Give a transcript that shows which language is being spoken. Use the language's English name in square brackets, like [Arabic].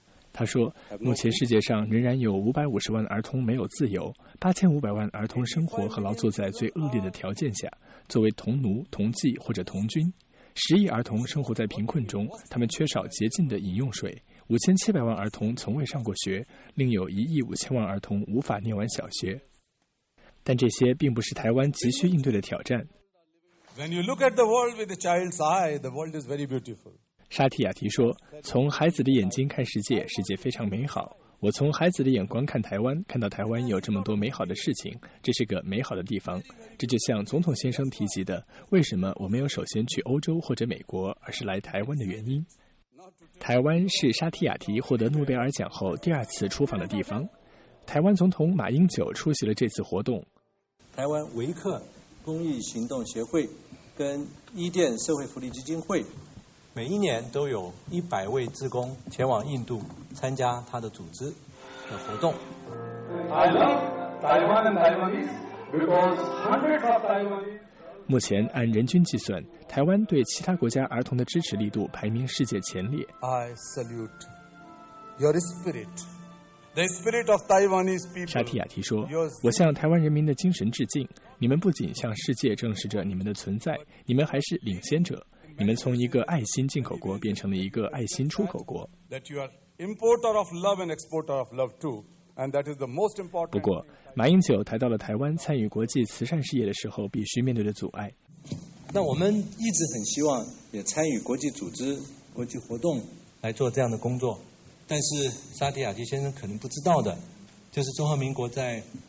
[Chinese] 他说，目前世界上仍然有550万儿童没有自由，8500万儿童生活和劳作在最恶劣的条件下，作为童奴、童妓或者童军。 10亿儿童生活在贫困中，他们缺少洁净的饮用水。 5700万儿童从未上过学，另有1亿5000万儿童无法念完小学。但这些并不是台湾急需应对的挑战。 [English] When you look at the world with a child's eye, the world is very beautiful. [Chinese] 沙提亚提说，从孩子的眼睛看世界，世界非常美好。我从孩子的眼光看台湾，看到台湾有这么多美好的事情，这是个美好的地方。这就像总统先生提及的，为什么我没有首先去欧洲或者美国，而是来台湾的原因。台湾是沙提亚提获得诺贝尔奖后第二次出访的地方。台湾总统马英九出席了这次活动。台湾维克公益行动协会跟伊甸社会福利基金会每一年都有100位志工前往印度参加他的组织的活动。 [English] I love Taiwan and Taiwanese because hundreds of Taiwanese。 [Chinese] 目前按人均计算，台湾对其他国家儿童的支持力度排名世界前列。 [English] I salute your spirit, the spirit of Taiwanese people. [Chinese] 沙提亚提说，我向台湾人民的精神致敬。你们不仅向世界证实着你们的存在，你们还是领先者。你们从一个爱心进口国变成了一个爱心出口国。 [English] That you are importer of love and exporter of love too. And that is the most important. [Chinese] 不过，马英九谈到了台湾参与国际慈善事业的时候必须面对的阻碍。那我们一直很希望也参与国际组织、国际活动来做这样的工作。但是沙提亚提先生可能不知道的，就是中华民国在